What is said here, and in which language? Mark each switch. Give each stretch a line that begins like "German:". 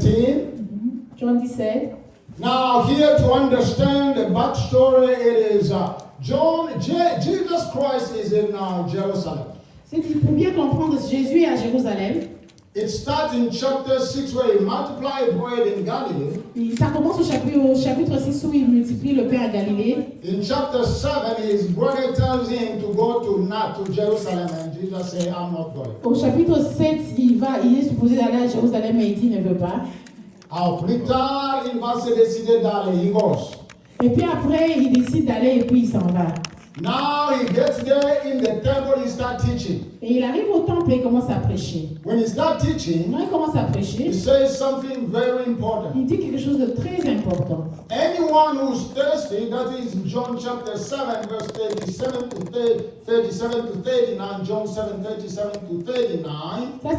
English: Mm-hmm. John 17. Now here to understand the backstory, it is Jesus Christ is in Jerusalem.
French: C'est pour bien comprendre Jésus à Jérusalem.
English: It starts in chapter 6 where he multiplied bread in Galilee.
French: Ça commence au chapitre 6 où il multiplie le pain à Galilée.
English: In chapter 7, his brother tells him to go to Jerusalem, and Jesus says, "I'm not going."
French: Au chapitre 7, il est supposé aller à Jérusalem, mais il dit, "Ne veut pas." Alors plus tard, il va se décider d'aller.
English: He goes.
French: Et puis après, il décide d'aller et puis il s'en va.
English: Now he gets there in the temple, he starts teaching.
French: Et il arrive au temple et commence à prêcher.
English: When he starts teaching,
French: quand il commence à prêcher,
English: he says something very important.
French: Il dit quelque chose de très important.
English: Anyone who's thirsty, that is John chapter 7, verse 37 to 39, John 7, 37 to 39.